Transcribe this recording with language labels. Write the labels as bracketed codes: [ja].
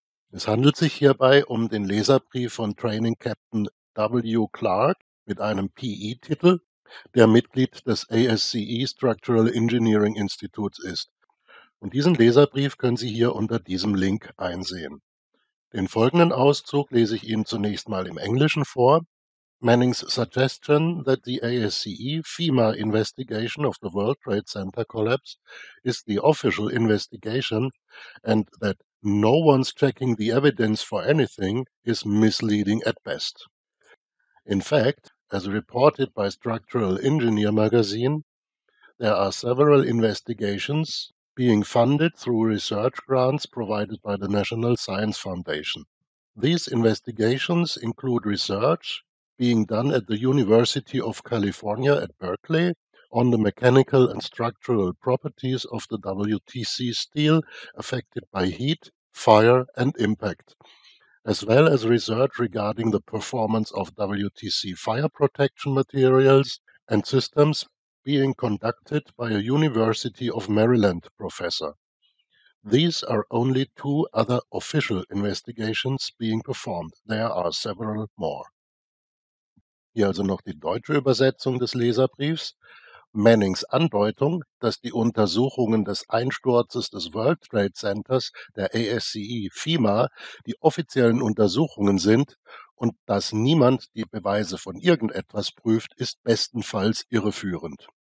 [de] Es handelt sich hierbei um den Leserbrief von Training Captain W. Clark mit einem PE-Titel, der Mitglied des ASCE Structural Engineering Institutes ist. Und diesen Leserbrief können Sie hier unter diesem Link einsehen. Den folgenden Auszug lese ich Ihnen zunächst mal im Englischen vor. [en] Manning's suggestion that the ASCE FEMA investigation of the World Trade Center collapse is the official investigation and that no one's checking the evidence for anything is misleading at best. In fact, as reported by Structural Engineer magazine, there are several investigations being funded through research grants provided by the National Science Foundation. These investigations include research being done at the University of California at Berkeley on the mechanical and structural properties of the WTC steel affected by heat, fire, and impact, as well as research regarding the performance of WTC fire protection materials and systems being conducted by a University of Maryland professor. These are only two other official investigations being performed. There are several more. [de] Hier also noch die deutsche Übersetzung des Leserbriefs. Mannings Andeutung, dass die Untersuchungen des Einsturzes des World Trade Centers, der ASCE, FEMA, die offiziellen Untersuchungen sind und dass niemand die Beweise von irgendetwas prüft, ist bestenfalls irreführend.